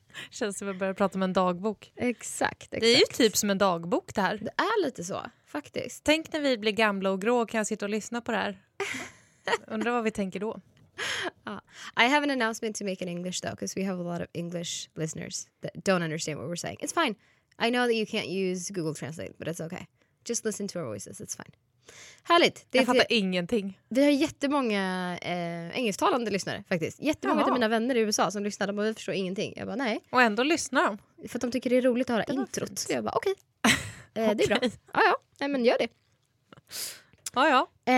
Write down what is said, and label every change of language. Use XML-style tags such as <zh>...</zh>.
<sv>Känns som att börja prata om en dagbok. Exakt. Det är ju typ som en dagbok det här. Det är lite så. Faktiskt. Tänk när vi blir gamla och grå, kan jag sitta och lyssna på det här? Undrar vad vi tänker då.</sv> <en>I have an announcement to make in English though, because we have a lot of English listeners that don't understand what we're saying. It's fine. I know that you can't use Google Translate, but it's okay. Just listen to our voices, it's fine.</en> <sv>Härligt. Jag fattar ingenting. Vi har jättemånga engelsktalande lyssnare faktiskt. Jättemånga av mina vänner i USA som lyssnar, de bara, vi förstår ingenting. Jag bara, nej. Och ändå lyssnar de. För att de tycker det är roligt att höra introt. Så jag bara, okej. Det är bra. Ja. Nej, men gör det. Ja.</sv>